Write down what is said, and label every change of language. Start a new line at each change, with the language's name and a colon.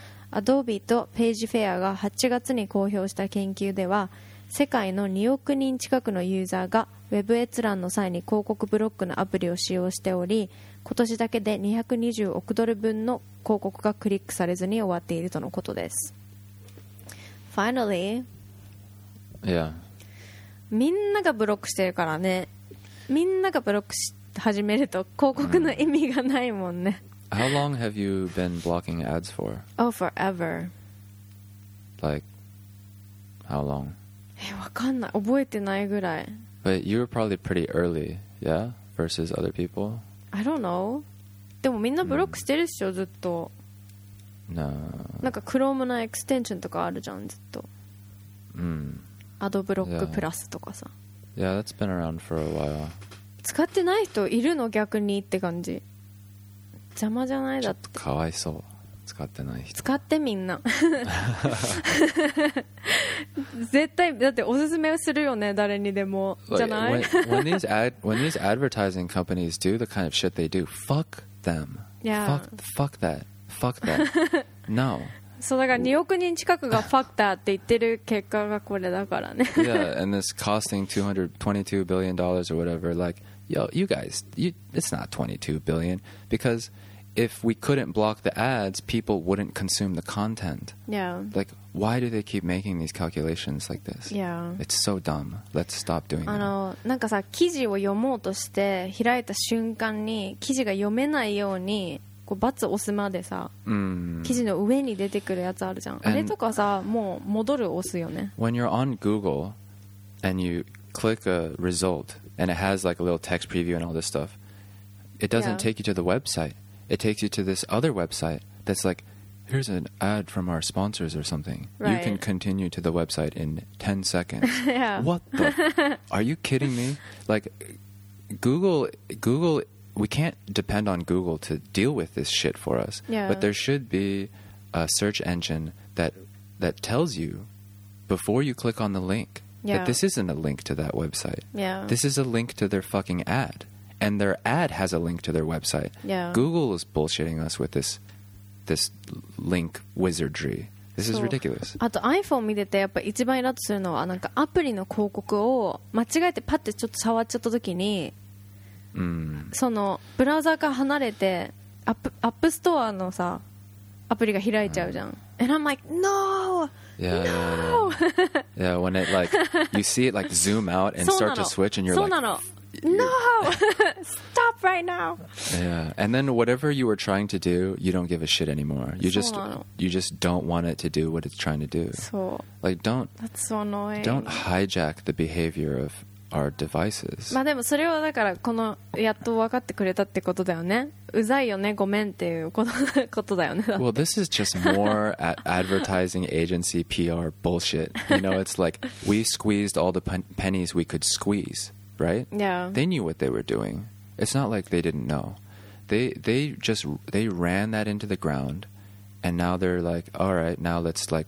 Japanese: Adobe と PageFair が8月に公表した研究では、世界の2億人近くのユーザーがウェブ閲覧の際に広告ブロックのアプリを使用しており、今年だけで220億ドル分の広告がクリックされずに終わっているとのことです。
English: Finally、 Yeah、
Japanese: みんながブロックしてるからね。みんながブロックし始めると広告の意味がないもんね。
English: How long have you been blocking ads for? Oh, forever. Like, how long?
Japanese: わかんない。覚えてないぐらい。
English: But you were probably pretty early, yeah? Versus other people? I don't know.
Japanese: でもみんなブロックしてるっしょ、ずっと。
English: No.
Japanese: なんか Chrome のエクステンションとかあるじゃん、ずっと。Adblock Plus とかさ。
English: Yeah, that's been around for a while.
Japanese: 使ってない人いるの逆にって感じ。邪魔じゃないだって。ちょっとかわいそう。使ってない人。使ってみんな。絶対だっておすすめするよね、誰にでも。
English: Like,
Japanese: じゃない。
English: when these advertising companies do the kind of shit they do, fuck them. Yeah. Fuck that. No.
Japanese: そうだから2億人近くが
English: fuck that
Japanese: って言ってる結果がこれだからね。
English: Yeah, and this costing $222 billion or whatever, like. Yo, you guys, you, it's not $22 billion. Because if we couldn't block the ads, people wouldn't consume the content. Yeah. Like, why do they keep making these calculations like this? Yeah. It's so dumb. Let's stop doing that.
Japanese: なんかさ、記事を読もうとして開いた瞬間に記事が読めないようにこう罰を押すまでさ、記事の上に出てくるやつあるじゃん。あれとかさ、もう戻る押すよね。
English: When you're on Google and you click a result... And it has like a little text preview and all this stuff. It doesn't take you to the website. It takes you to this other website that's like, here's an ad from our sponsors or something. Right. You can continue to the website in 10 seconds. Yeah. What the? Are you kidding me? Like, Google, we can't depend on Google to deal with this shit for us. Yeah. But there should be a search engine that tells you before you click on the link. Yeah. But this isn't a link to that website. Yeah. This is a link to their fucking ad. And their ad has a link to their website. Yeah. Google is bullshitting us with this link wizardry. This is ridiculous.
Japanese: あと iPhone 見ててやっぱ一番イラッとするのは、なんかアプリの広告を間違えてパッてちょっと触っちゃった時に、そのブラウザーから離れてアップストアのさアプリが開いちゃうじゃん、うん、
English: And I'm like, no! Yeah, no! Yeah, yeah, yeah. Yeah, when it like you see it like zoom out and start to switch and you're like No! Stop right now! Yeah, and then whatever you were trying to do you don't give a shit anymore. You just don't want it to do what it's trying to do. So, like don't That's so annoying. Don't hijack the behavior ofOur devices.
Japanese: まあでもそれはだからこのやっと分かってくれたってことだよね。うざいよね、ごめんっていうことだよね。
English: Well, this is just more advertising agency PR bullshit. You know, it's like we squeezed all the pennies we could squeeze, right? Yeah. They knew what they were doing. It's not like they didn't know. They ran that into the ground, and now they're like, all right, now let's.